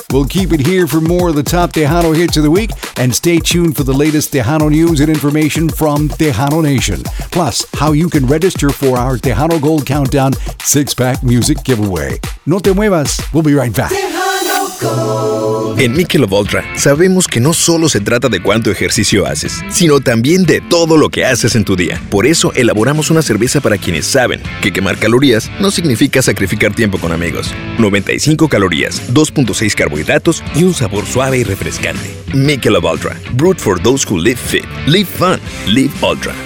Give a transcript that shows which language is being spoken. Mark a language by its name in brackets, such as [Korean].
[English] We'll keep it here for more of the top Tejano hits of the week, and stay tuned for the latest Tejano news and information from Tejano Nation, plus how you can register for our Tejano Gold Countdown 6-pack music giveaway. [Spanish] No te muevas, [English] we'll be right back. [Spanish] En Michelob Ultra sabemos que no solo se trata de cuánto ejercicio haces, sino también de todo lo que haces en tu día. Por eso elaboramos una cerveza para quienes saben que quemar calorías no significa sacrificar tiempo con amigos. 95 calorías, 2.6 carbohidratos y un sabor suave y refrescante. [English] Michelob Ultra, brewed for those who live fit, live fun, live ultra.